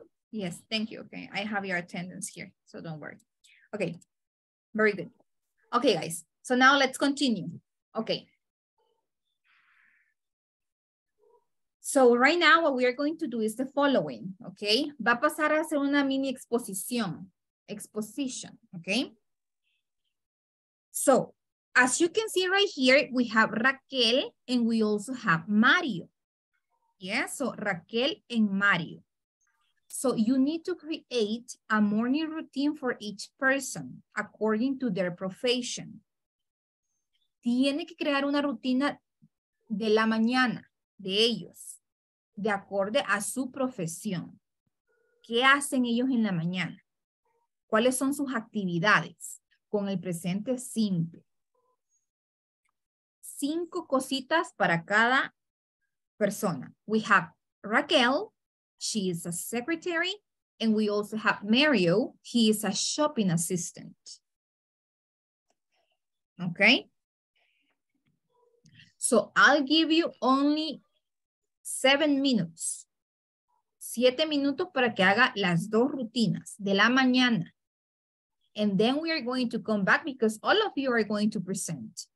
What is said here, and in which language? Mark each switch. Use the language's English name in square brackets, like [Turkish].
[English] Yes, thank you. Okay, I have your attendance here, so don't worry. Okay, very good. Okay, guys, so now let's continue. Okay. So right now, what we are going to do is the following, okay? [Spanish] Va a pasar a hacer una mini exposición, [English] exposition, okay? So, as you can see right here, we have Raquel and we also have Mario. Yeah, so Raquel and Mario. So you need to create a morning routine for each person according to their profession. [Spanish] Tiene que crear una rutina de la mañana, de ellos, de acuerdo a su profesión. ¿Qué hacen ellos en la mañana? ¿Cuáles son sus actividades? Con el presente simple. 5 cositas para cada persona. [English] We have Raquel, she is a secretary, and we also have Mario, he is a shopping assistant. Okay? So I'll give you only 7 minutes. [Spanish] 7 minutos para que haga las dos rutinas de la mañana. [English] And then we are going to come back because all of you are going to present.